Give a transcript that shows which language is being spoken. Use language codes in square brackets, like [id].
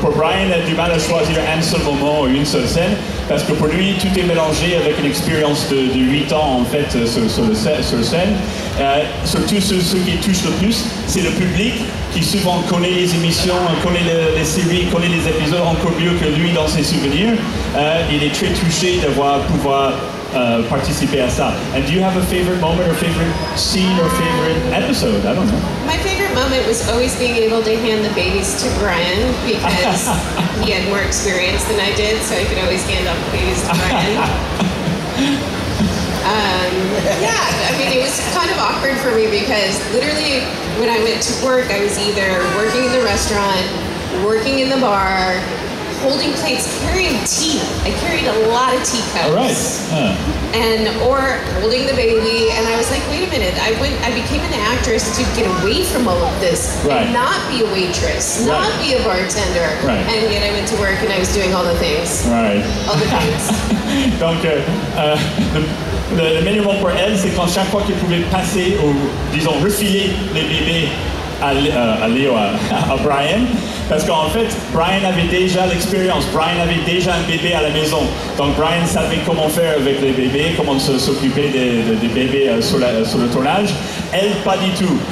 [en] For Brian, [fr] du mal à choisir un seul moment ou une seule scène, parce que pour lui, tout est mélangé avec une expérience de 8 ans en fait sur scène. Surtout ce qui touche le plus, c'est le public qui souvent connaît les émissions, connaît les séries, connaît les épisodes encore mieux que lui dans ses souvenirs. Il est très touché d'avoir pouvoir participer à ça. [en] And do you have a favorite moment or favorite scene or favorite episode? I don't know. My favorite moment was always being able to hand the babies to Brian because he had more experience than I did, so I could always hand off the babies to Brian. it was kind of awkward for me because literally when I went to work, I was either working in the restaurant, working in the bar, holding plates, carrying tea. I carried a lot of teacups. All right. Or holding the baby. And I was like, wait a minute. I became an actress to get away from all of this right. And not be a waitress, not right. Be a bartender. Right. And yet I went to work and I was doing all the things. Right. All the things. [fr] Donc, le minimum pour elle, c'est quand chaque fois qu'il pouvait passer ou, disons, refiler les bébés à Léo, à Brian. Parce qu'en fait, Brian avait déjà l'expérience. Brian avait déjà un bébé à la maison. Donc, Brian savait comment faire avec les bébés, comment s'occuper des bébés sur le tournage. Elle, pas du tout.